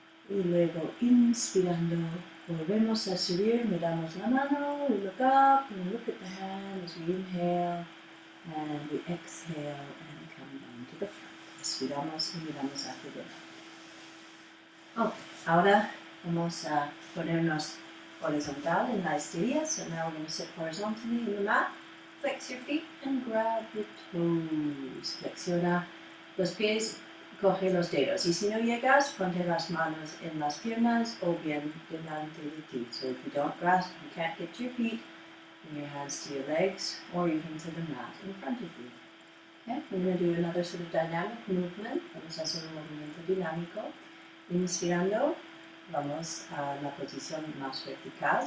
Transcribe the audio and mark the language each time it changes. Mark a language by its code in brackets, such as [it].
[es] Y luego, inspirando, volvemos a subir, miramos la mano, [en] we look up, and we look at the hand as we inhale, and we exhale, and come down. to the front. [es] Inspiramos y miramos hacia adelante. Ok, ahora vamos a ponernos horizontal en la estrella. [en] So now we're going to sit horizontally in the mat. Flex your feet and grab the toes. [es] Flexiona los pies, coge los dedos. Y si no llegas, ponte las manos en las piernas o bien delante de ti. [en] So if you don't grasp, you can't get to your feet, bring your hands to your legs or even to the mat in front of you. Okay, we're going to do another sort of dynamic movement. [es] Vamos a hacer un movimiento dinámico. Inspirando, vamos a la posición más vertical.